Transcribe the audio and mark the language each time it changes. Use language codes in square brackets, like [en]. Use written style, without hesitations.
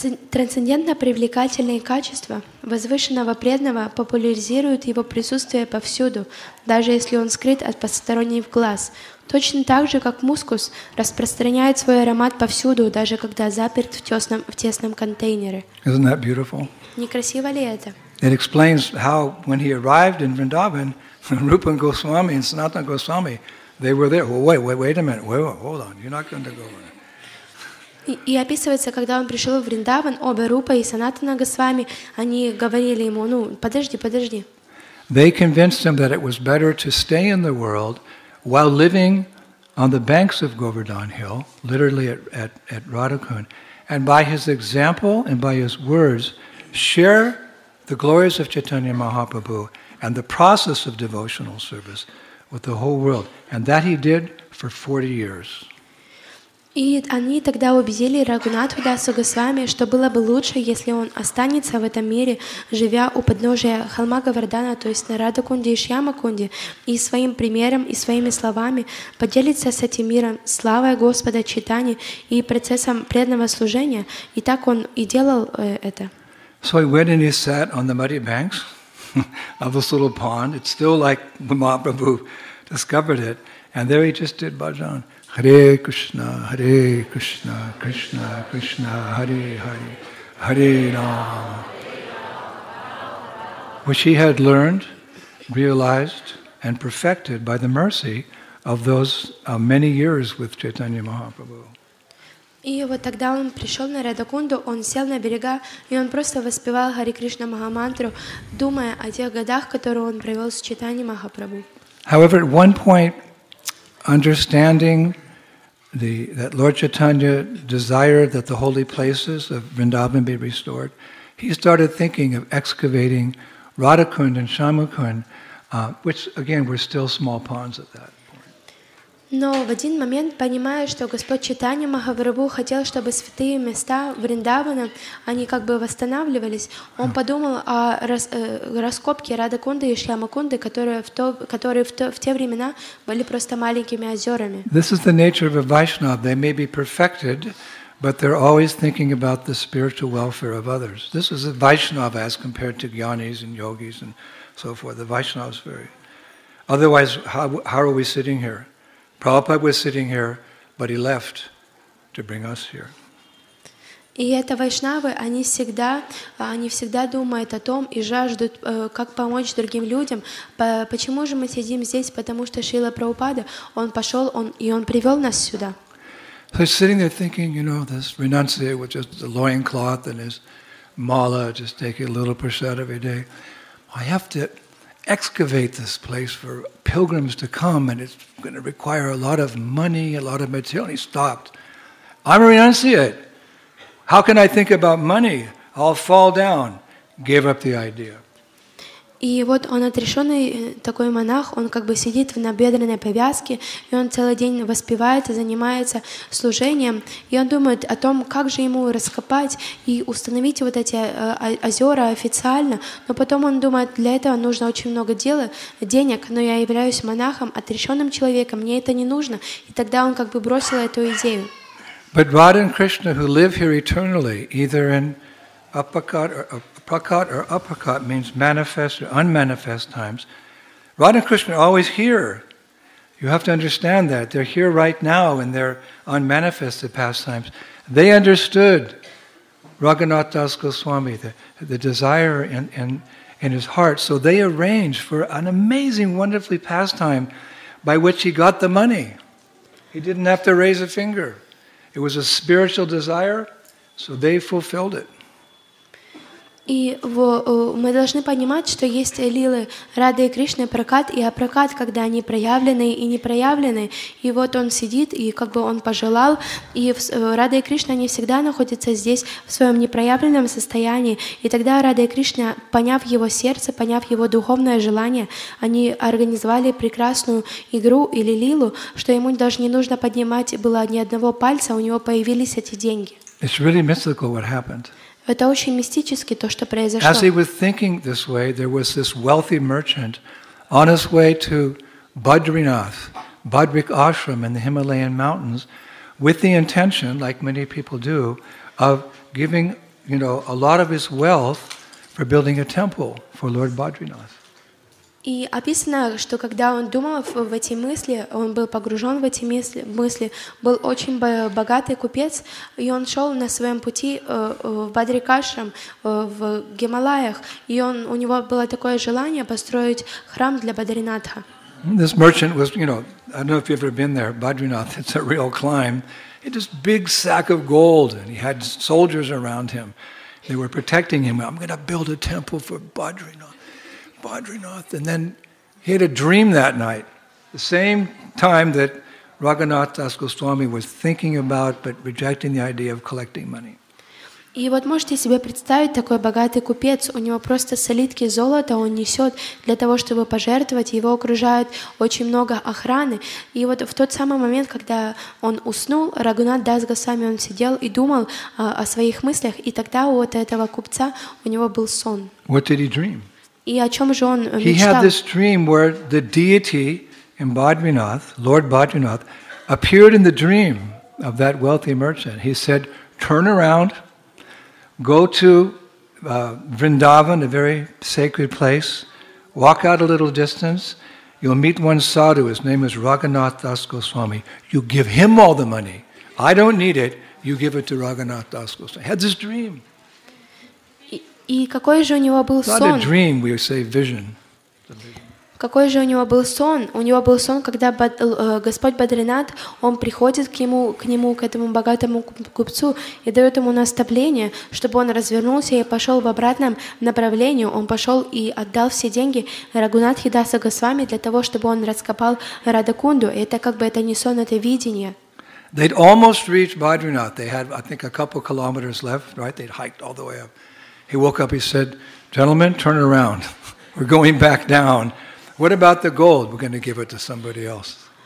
[ru] Трансцендентно привлекательные качества возвышенного преданного популяризируют его присутствие повсюду, даже если он скрыт от посторонних глаз. Точно так же, как мускус распространяет свой аромат повсюду, даже когда заперт в тесном контейнере. [en] Isn't that beautiful? [ru] Некрасиво ли это? [en] It explains how when he arrived in Vrindavan, Rupa Goswami and Sanatana Goswami, they were there. Well, wait a minute. Wait, hold on. You're not going to go there. [ru] И описывается, когда он пришел в Вриндаван, оба Рупа и Санатана Госвами, они говорили ему, ну, подожди. [en] They convinced him that it was better to stay in the world while living on the banks of Govardhan Hill, literally at Radhakun, and by his example and by his words, share the glories of Chaitanya Mahaprabhu and the process of devotional service with the whole world. And that he did for 40 years. [ru] И они тогда убедили Рагунатху Дасу Госвами, что было бы лучше, если он останется в этом мире, живя у подножия холма Говардхана, то есть на Радхакунде и Шьямакунде, и своим примером, и своими словами поделится с этим миром славой Господа Чайтани и процессом преданного служения. И так он и делал это. [en] So he went and he sat on the muddy banks of this little pond. It's still like Mahaprabhu discovered it. And there he just did bhajan. Hare Krishna, Krishna, Krishna, Hare Hare, Hare Rama. Which he had learned, realized, and perfected by the mercy of those many years with Chaitanya Mahaprabhu. [ru] И вот тогда он пришел на Радхакунду, он сел на берега, и он просто воспевал Хари Кришна Махамантру, думая о тех годах, которые он провел с Чайтанья Махапрабху. [en] However, at one point, understanding that Lord Chaitanya desired that the holy places of Vrindavan be restored, he started thinking of excavating Radhakund and Shyamakund, which again were still small ponds at that. [ru] Но в один момент, понимая, что Господь Чайтанья Махапрабху хотел, чтобы святые места Вриндавана, они как бы восстанавливались, он подумал о раскопке Радхакунды и Шьямакунды, которые в те времена были просто маленькими озерами. [en] This is the nature of a Vaishnava. They may be perfected, but they're always thinking about the spiritual welfare of others. This is a Vaishnava as compared to Jnanis and Yogis and so forth. The Vaishnava is very... Otherwise, how are we sitting here? Prabhupada was sitting here, but he left to bring us here. [ru] И это вайшнавы, они всегда думают о том и жаждут, как помочь другим людям. Почему же мы сидим здесь? Потому что Шрила Прабхупада, он пошел, он привел нас сюда. [en] So he's sitting there thinking, you know, this renunciate with just the loincloth and his mala, just taking a little prasad every day. I have to excavate this place for pilgrims to come, and it's going to require a lot of money, a lot of material. And he stopped. I'm a renunciate. How can I think about money? I'll fall down. Gave up the idea. [ru] И вот он отрешенный такой монах, он как бы сидит в набедренной повязке, и он целый день воспевает и занимается служением, и он думает о том, как же ему раскопать и установить вот эти озера официально, но потом он думает, для этого нужно очень много денег, но я являюсь монахом, отрешенным человеком, мне это не нужно, и тогда он как бы бросил эту идею. [en] But Radha and Krishna, who live here eternally, either in Apakat or Prakat or Aprakat means manifest or unmanifest times. Radha and Krishna are always here. You have to understand that. They're here right now in their unmanifested pastimes. They understood Raghunath Das Goswami, the desire in his heart. So they arranged for an amazing, wonderfully pastime by which he got the money. He didn't have to raise a finger. It was a spiritual desire, so they fulfilled it. [ru] И мы должны понимать, что есть лилы Рады и Кришны, Пракат и Апракат, когда они проявлены и не проявлены. И вот он сидит, и как бы он пожелал, и Рады и Кришна, они всегда находятся здесь, в своем непроявленном состоянии. И тогда Рады и Кришна, поняв его сердце, поняв его духовное желание, они организовали прекрасную игру или лилу, что ему даже не нужно поднимать было ни одного пальца, у него появились эти деньги. [en] It's really mystical what happened. [ru] Это очень мистически то, что произошло. [en] As he was thinking this way, there was this wealthy merchant on his way to Badrinath, Badrik Ashram in the Himalayan mountains, with the intention, like many people do, of giving, you know, a lot of his wealth for building a temple for Lord Badrinath. [ru] И описано, что когда он думал в эти мысли, он был погружен в эти мысли, был очень богатый купец, и он шел на своем пути в Бадрикашрам, в Гималаях, и у него было такое желание построить храм для Бадринатха. [en] This merchant was, you know, I don't know if you've ever been there, Badrinath, it's a real climb. It was a big sack of gold, and he had soldiers around him. They were protecting him. I'm going to build a temple for Badrinath. Badrinath, and then he had a dream that night, the same time that Raghunath Das Goswami was thinking about but rejecting the idea of collecting money. [ru] И вот можете себе представить такой богатый купец, у него просто слитки золота он несет для того, чтобы пожертвовать, его окружает очень много охраны. И вот в тот самый момент, когда он уснул, Рагхунат Дас Госвами, он сидел и думал о своих мыслях, и тогда у вот этого купца у него был сон. [en] What did he dream? [ru] И о чем же он [en] he [ru] мечтал? [en] He had this dream where the deity in Badrinath, Lord Badrinath, appeared in the dream of that wealthy merchant. He said, turn around, go to Vrindavan, a very sacred place, walk out a little distance, you'll meet one sadhu, his name is Rāghunātha Dās Goswāmī. You give him all the money. I don't need it, you give it to Rāghunātha Dās Goswāmī. He had this dream. [ru] И какой же у него был сон? [en] Not a dream, we say vision. [ru] Какой же у него был сон? У него был сон, когда Господь Бадринат, он приходит к нему, к этому богатому купцу и дает ему наставление, чтобы он развернулся и пошел в обратном направлении. Он пошел и отдал все деньги Рагхунатхе Даса Госвами для того, чтобы он раскопал Радакунду. Это как бы это не сон, это видение. [en] They'd almost reached Badrinath. They had, I think, a couple kilometers left, right? They'd hiked all the way up. He woke up, he said, gentlemen, turn around. We're going back down. What about the gold? We're going to give it to somebody else.